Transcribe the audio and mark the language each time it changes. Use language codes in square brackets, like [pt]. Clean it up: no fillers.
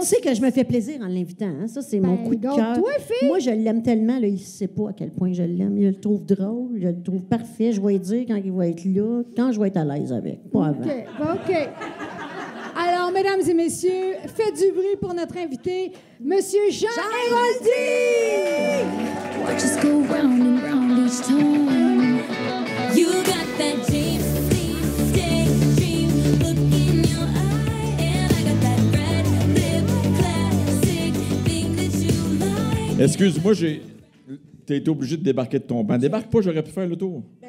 [fr] Tu sais que je me fais plaisir en l'invitant. Hein? Ça, c'est mon coup de cœur. Moi, je l'aime tellement. Là, il ne sait pas à quel point je l'aime. Il le trouve drôle. Je le trouve parfait. Je vais lui dire quand il va être là, quand je vais être à l'aise avec. Pas avant. OK. Alors, mesdames et messieurs, faites du bruit pour notre invité, M. Jean Héroldi! [en] Watch us go round and round each time. You got that deep, deep, deep dream. Look in your eye and I got that red lip classic thing that you like. [fr] Excuse-moi, t'as été obligé de débarquer de ton banc. Débarque pas, j'aurais pu faire le tour.